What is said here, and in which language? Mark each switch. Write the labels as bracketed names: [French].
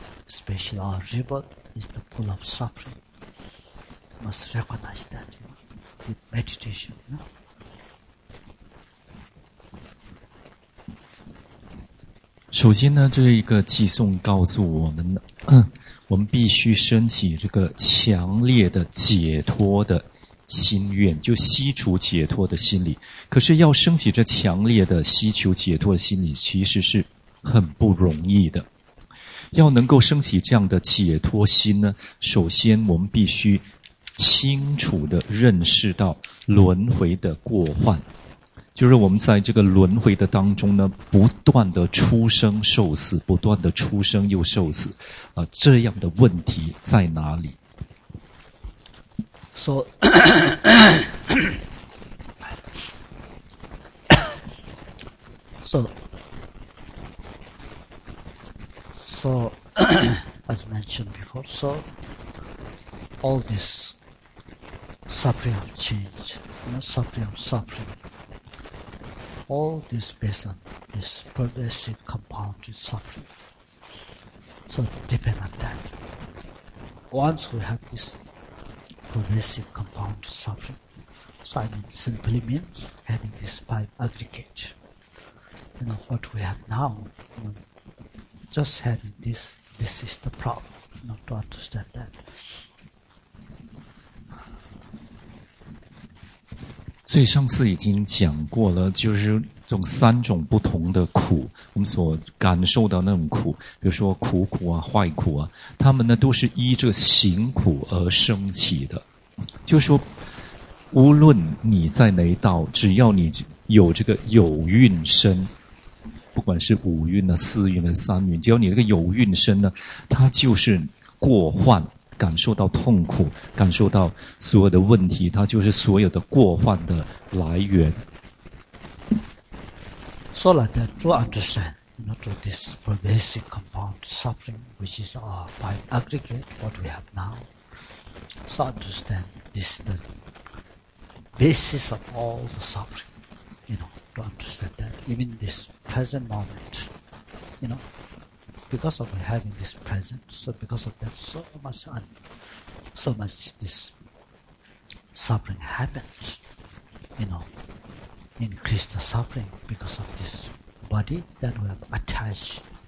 [English] Especially our rebirth is the pool of suffering. Must recognize that, you know, with meditation, you know. First, this meditation tells us that we must have this strong desire to escape. [Chinese] 心愿就希求解脱的心理，可是要升起这强烈的希求解脱的心理，其实是很不容易的。要能够升起这样的解脱心呢，首先我们必须清楚地认识到轮回的过患，就是我们在这个轮回的当中呢，不断地出生受死，不断地出生又受死，这样的问题在哪里？ [English] So, so as mentioned before, so all this suffering of change, you know, suffering of suffering, all this based on this progressive compounded suffering. So depend on that. Once we have this. Progressive compound suffering. So I mean, simply means having this five aggregate. You know, what we have now, you know, just having this, this is the problem, you know, to understand that. [Chinese] So, 上次已经讲过了，就是这种三种不同的苦，我们所感受到那种苦，比如说苦苦啊，坏苦啊，他们呢都是依着行苦而升起的。就是说无论你在哪一道，只要你有这个有运身，不管是五运啊、四运啊、三运，只要你这个有运身呢，它就是过患，感受到痛苦，感受到所有的问题，它就是所有的过患的来源。 [English] So like that, to understand, you know, to this pervasive compound suffering, which is our five aggregate, what we have now. So understand this the basis of all the suffering, you know, to understand that, even this present moment, you know, because of having this present, so because of that, so much this suffering happened, you know, increase the suffering because of this body that we have attached,